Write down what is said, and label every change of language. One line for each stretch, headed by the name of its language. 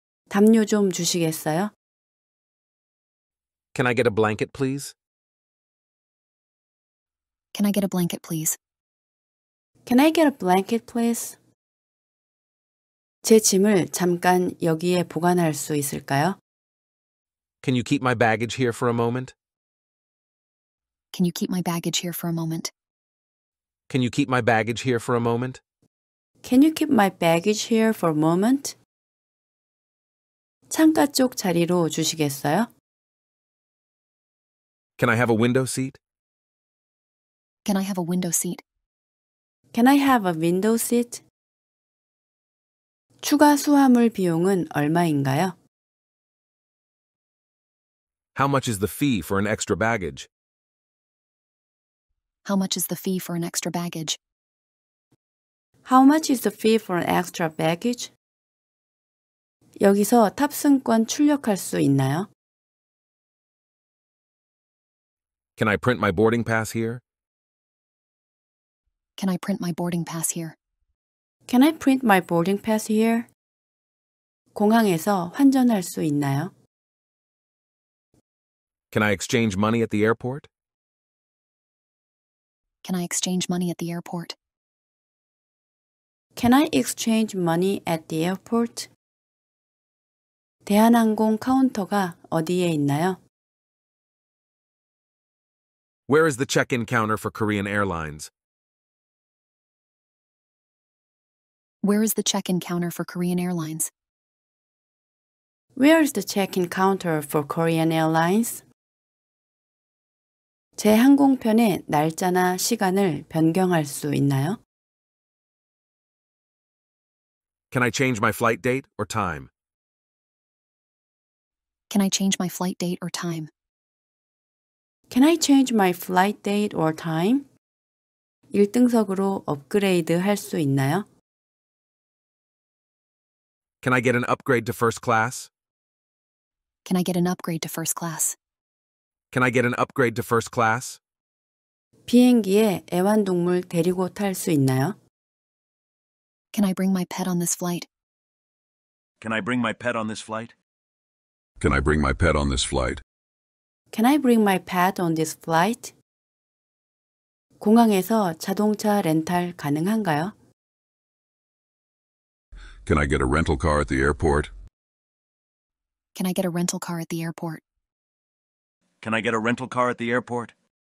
Korean: 담요 좀 주시겠어요?
English: Can I get a blanket, please? Can I get a blanket, please? Can I get a blanket, please?
Korean: 제 짐을 잠깐 여기에 보관할 수 있을까요?
English: Can you keep my baggage here for a moment? Can you keep my baggage here for a moment? Can you keep my baggage here for a moment? Can you keep my baggage here for a moment?
Korean: 창가 쪽 자리로 주시겠어요?
English: Can I have a window seat? Can I have a window seat? Can I have a window seat?
Korean: 추가 수화물 비용은 얼마인가요?
English: How much is the fee for an extra baggage? How much is the fee for an extra baggage? How much is the fee for an extra baggage?
Korean: 여기서 탑승권 출력할 수 있나요?
English: Can I print my boarding pass here? Can I print my boarding pass here? Can I print my boarding pass here?
Korean: 공항에서 환전할 수 있나요?
English: Can I exchange money at the airport? Can I exchange money at the airport? Can I exchange money at the airport?
Korean: 대한항공 카운터가 어디에 있나요?
English: Where is the check-in counter for Korean Airlines? Where is the check-in counter for Korean Airlines? Where is the check-in counter for Korean Airlines?
Korean: 제 항공편의 날짜나 시간을 변경할 수 있나요?
English: Can I change my flight date or time? Can I change my flight date or time? Can I change my flight date or time?
Korean: 1등석으로 업그레이드 할 수 있나요?
English: Can I get an upgrade to first class? Can I get an upgrade to first class? Can I get an upgrade to first class?
Korean: 비행기에 애완동물 데리고 탈 수 있나요?
English: Can I bring my pet on this flight? Can I bring my pet on this flight? Can I bring my pet on this flight? Can I bring my pet on this flight?
Korean: 공항에서 자동차 렌탈 가능한가요?
English: Can I get a rental car at the airport? Can I get a rental car at the airport? Can I get a rental car at the airport?